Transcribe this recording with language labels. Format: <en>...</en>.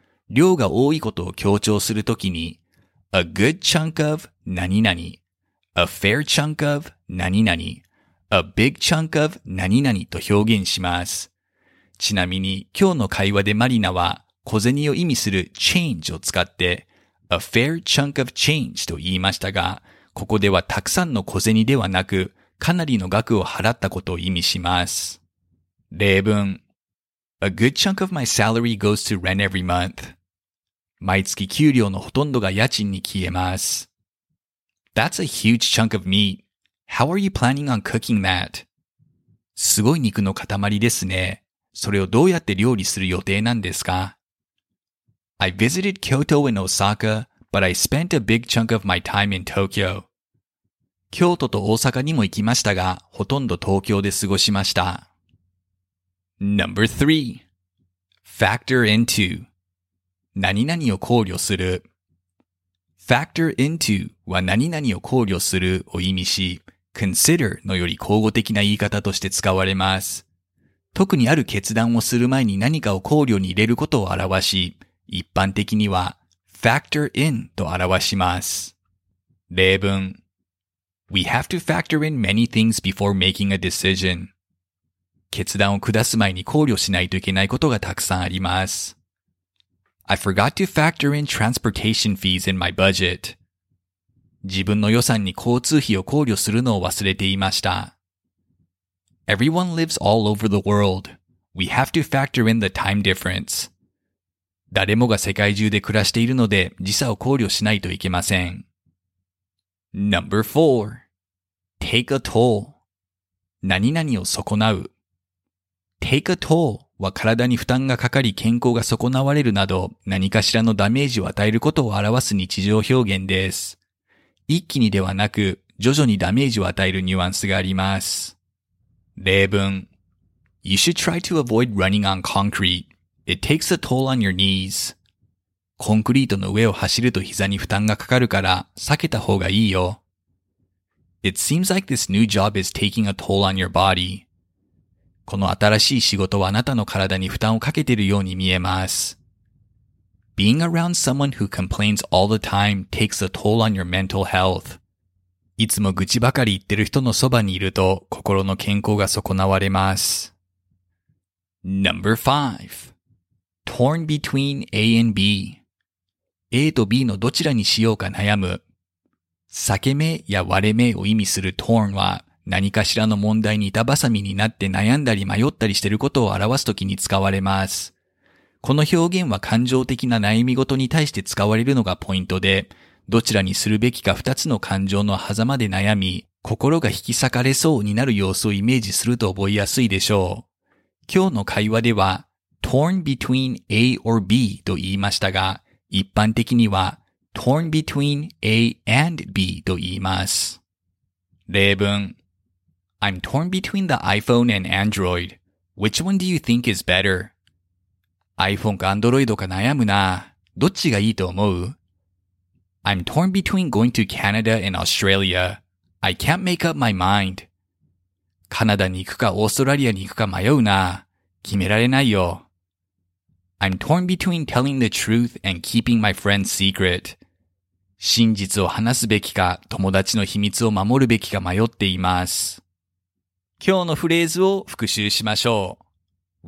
<ja>量が多いことを強調するときに、</ja> <en>a good chunk of</en> <ja>何々、</ja> <en>a fair chunk of</en> <ja>何々、</ja> <en>a big chunk of</en> <ja>何々と表現します。ちなみに今日の会話でマリナは小銭を意味する change を使って、</ja> <en>a fair chunk of change</en> <ja>と言いましたが、ここではたくさんの小銭ではなく、かなりの額を払ったことを意味します。例文。</ja> <en>A good chunk of my salary goes to rent every month.</en> <ja>毎月給料のほとんどが家賃に消えます。</ja> <en>That's a huge chunk of meat. How are you planning on cooking that?</en> <ja>すごい肉の塊ですね。それをどうやって料理する予定なんですか?</ja> <en>I visited Kyoto and Osaka, but I spent a big chunk of my time in Tokyo.</en> <ja>京都と大阪にも行きましたが、ほとんど東京で過ごしました。</ja> <en>Number three. Factor into.</en> <ja>何々を考慮する。</ja> <en>Factor into</en> <ja>は何々を考慮するを意味し、consider のより口語的な言い方として使われます。特にある決断をする前に何かを考慮に入れることを表し、一般的には</ja> <en>factor in</en> <ja>と表します。例文。</ja> <en>We have to factor in many things before making a decision.</en> <ja>決断を下す前に考慮しないといけないことがたくさんあります。</ja> <en>I forgot to factor in transportation fees in my budget.</en> <ja>自分の予算に交通費を考慮するのを忘れていました。</ja> <en>Everyone lives all over the world. We have to factor in the time difference.</en> <ja>誰もが世界中で暮らしているので、時差を考慮しないといけません。</ja> <en>Number four. Take a toll.</en> <ja>何々を損なう。</ja> <en>Take a toll</en> <ja>は体に負担がかかり健康が損なわれるなど、何かしらのダメージを与えることを表す日常表現です。一気にではなく、徐々にダメージを与えるニュアンスがあります。例文。</ja> <en>You should try to avoid running on concrete. It takes a toll on your knees.</en> <ja>コンクリートの上を走ると膝に負担がかかるから避けた方がいいよ。</ja> <en>It seems like this new job is taking a toll on your body.</en> <ja>この新しい仕事はあなたの体に負担をかけているように見えます。</ja> <en>Being around someone who complains all the time takes a toll on your mental health.</en> <ja>いつも愚痴ばかり言ってる人のそばにいると心の健康が損なわれます。</ja> <en>Number five. Torn between A and B.</en> <ja>A と B のどちらにしようか悩む。裂け目や割れ目を意味する torn は何かしらの問題に板挟みになって悩んだり迷ったりしてることを表すときに使われます。この表現は感情的な悩み事に対して使われるのがポイントで、どちらにするべきか二つの感情の狭間で悩み、心が引き裂かれそうになる様子をイメージすると覚えやすいでしょう。今日の会話では、</ja> <en>torn between A or B</en> <ja>と言いましたが、一般的には、</ja> <en>torn between A and B</en> <ja>と言います。例文。</ja> <en>I'm torn between the iPhone and Android. Which one do you think is better?</en> <ja>iPhone か Android か悩むな。どっちがいいと思う?</ja> <en>I'm torn between going to Canada and Australia. I can't make up my mind.</en> <ja>カナダに行くかオーストラリアに行くか迷うな。決められないよ。</ja> <en>I'm torn between telling the truth and keeping my friend's secret.</en> <ja>真実を話すべきか友達の秘密を守るべきか迷っています。今日のフレーズを復習しましょう。</ja>